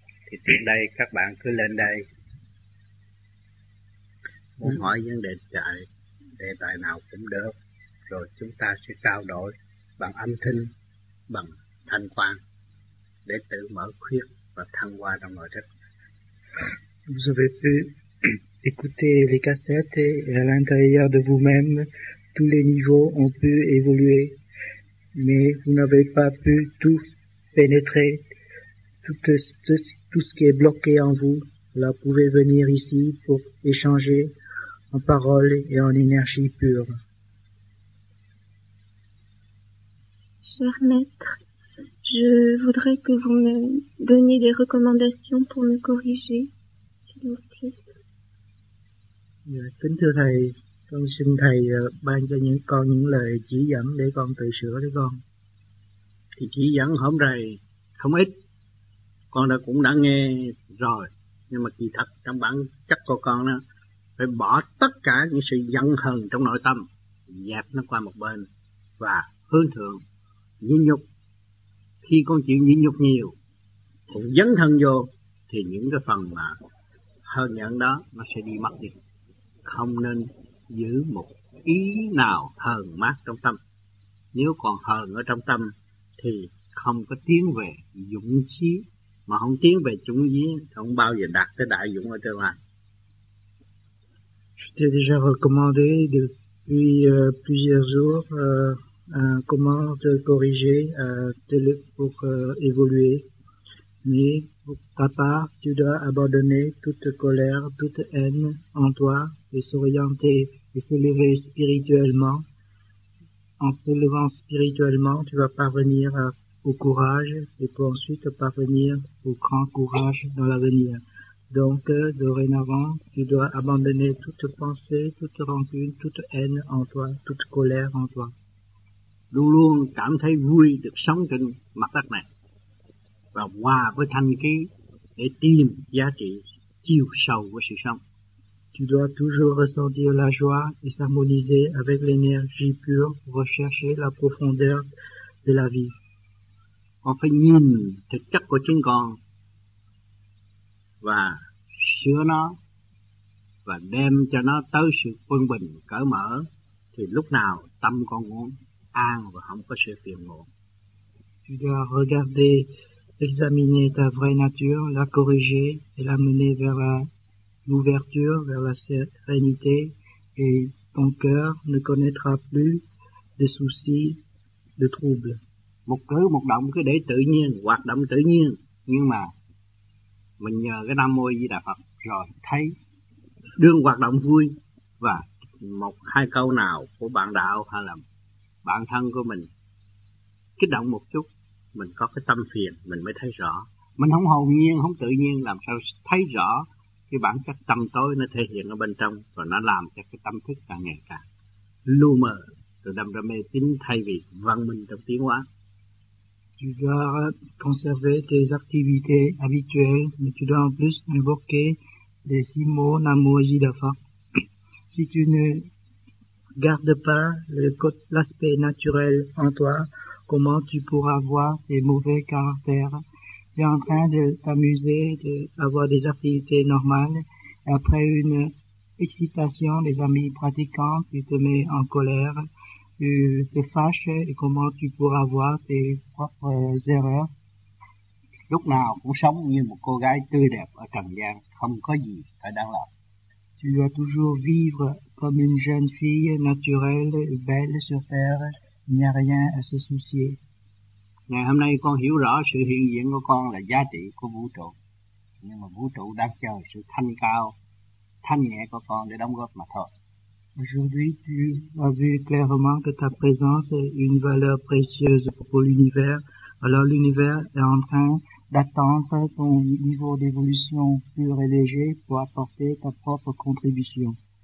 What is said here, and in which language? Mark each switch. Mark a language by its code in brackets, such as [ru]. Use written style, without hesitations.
[vi] Thì trước đây các bạn cứ lên đây muốn hỏi vấn đề tài nào cũng được, rồi chúng ta sẽ trao đổi bằng âm thanh, bằng thanh quan để tự mở khuyết và thăng hoa trong nội thất. [fr] Vous avez pu écouter les cassettes et à l'intérieur de vous-même tous les niveaux ont pu évoluer, mais vous n'avez pas pu tout pénétrer, tout ce qui est bloqué en vous. Là, vous pouvez venir ici pour échanger en parole et en énergie pure. Cher maître, je voudrais que vous me donniez des recommandations pour me corriger, s'il vous plaît. [vi] Kính thưa Thầy, con xin Thầy ban cho những con những lời chỉ dẫn để con tự sửa đấy con. Thì chỉ dẫn hôm nay không ít, con đã cũng đã nghe rồi. Nhưng mà kỳ thật trong bản chất của con đó, phải bỏ tất cả những sự giận hờn trong nội tâm, dẹp nó qua một bên và hướng thượng, nhẫn nhục. Khi con chịu nhẫn nhục nhiều, cũng dấn thân vô, thì những cái phần mà hờn nhẫn đó nó sẽ đi mất đi. Không nên giữ một ý nào hờn mát trong tâm. Nếu còn hờn ở trong tâm thì không có tiến về dũng chí, mà không tiến về chủng chí không bao giờ đạt tới đại dũng ở tương lai. [fr] Je t'ai déjà recommandé depuis plusieurs jours comment te corriger pour évoluer. Mais pour ta part, tu dois abandonner toute colère, toute haine en toi et s'orienter et s'élever spirituellement. En s'élevant spirituellement, tu vas parvenir au courage et pour ensuite parvenir au grand courage dans l'avenir. Donc, dorénavant, tu dois abandonner toute pensée, toute rancune, toute haine en toi, toute colère en toi. [vi] Luôn luôn cảm thấy vui được sống trên mặt đất này và hòa với thanh khí để tìm giá trị chiều sâu của sự sống. [fr] Tu dois toujours ressentir la joie et s'harmoniser avec l'énergie pure pour rechercher la profondeur de la vie. [vi] On phải nhìn thực chất của chính con và sửa nó và đem cho nó tới sự quân bình cởi mở, thì lúc nào tâm con cũng an và không có sự phiền muộn. [fr] Tu dois regarder, examiner ta vraie nature, la corriger et l'amener vers la l'ouverture, vers la sérénité, et ton cœur ne connaîtra plus de soucis, de troubles. [vi] Một cử một động cứ để tự nhiên, hoạt động tự nhiên, nhưng mà mình nhờ cái Nam Mô A Di Đà Phật rồi thấy đương hoạt động vui, và một hai câu nào của bạn đạo hay là bản thân của mình kích động một chút, mình có cái tâm phiền, mình mới thấy rõ. Mình không hồn nhiên, không tự nhiên, làm sao thấy rõ cái bản chất tâm tối nó thể hiện ở bên trong, và nó làm cho cái tâm thức càng ngày càng lu mờ, từ đâm ra mê tín thay vì văn minh trong tiến hóa. [fr] Tu dois conserver tes activités habituelles, mais tu dois en plus invoquer les six mots Namo Ajida Phat. Si tu ne gardes pas l'aspect naturel en toi, comment tu pourras voir tes mauvais caractères? Tu es en train de t'amuser, d'avoir des activités normales. Après une excitation des amis pratiquants, tu te mets en colère, tu te fâches, et comment tu pourras voir tes propres erreurs? [vi] Lúc nào cũng sống như một cô gái tươi đẹp ở trần gian, không có gì phải đáng lo. [fr] Tu dois toujours vivre comme une jeune fille naturelle, belle sur terre. Il n'y a rien à se soucier. [vi] Ngày hôm nay con hiểu rõ sự hiện diện của con là giá trị của vũ trụ. Nhưng mà vũ trụ đang chờ sự thanh cao, thanh nhẹ của con để đóng góp mà thôi. [fr] Aujourd'hui, tu as vu clairement que ta présence est une valeur précieuse pour l'univers. Alors l'univers est en train d'attendre ton niveau d'évolution pur et léger pour apporter ta propre contribution.